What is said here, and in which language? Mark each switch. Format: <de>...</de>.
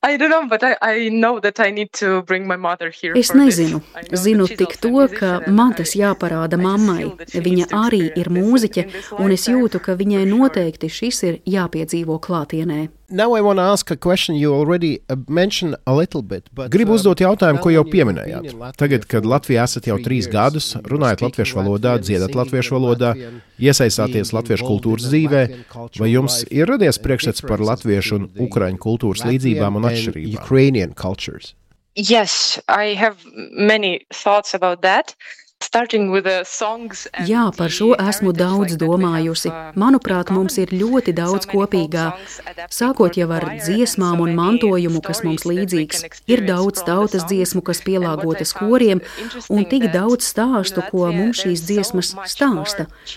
<en>I don't know, but I know that I need to bring my mother here.</en> <lv>Es nezinu. Zinu tik to, ka man tas jāparāda mammai. Viņa arī ir mūziķe, un es jūtu, ka viņai noteikti šis ir jāpiedzīvo klātienē.</lv> <en>Now I want to ask a question you already mentioned a little bit, but</en> <lv>gribu uzdot jautājumu, ko jau pieminējāt. Tagad, kad Latvijā esat jau 3 gadus, runājat latviešu valodā, dziedat latviešu valodā, iesaistāties latviešu kultūras dzīvē, vai jums ir radies priekšstats par latviešu un ukraiņu kultūras līdzībām un atšķirībām?</lv> <en>Ukrainian cultures. Yes, I have many thoughts about that.</en> <lv>Jā, par šo esmu daudz domājusi. Manuprāt, mums ir ļoti daudz kopīgā. Sākot jau ar dziesmām un mantojumu, kas mums līdzīgs, ir daudz tautas dziesmu, kas pielāgotas koriem, un tik daudz stāstu, ko mums šīs dziesmas stāsta.</lv>